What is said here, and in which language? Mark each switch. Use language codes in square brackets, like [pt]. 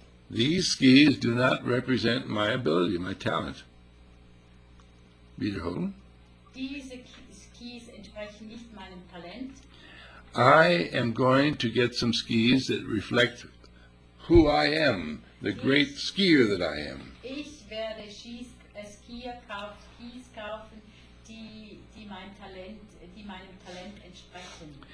[en] These skis do not represent my ability, my talent. [de] Wiederholen. Diese Skis entsprechen nicht meinem Talent. [en] I am going to get some skis that reflect who I am, the great skier that I am. [de] Ich werde Skis kaufen, die mein Talent, die meinem Talent entsprechen.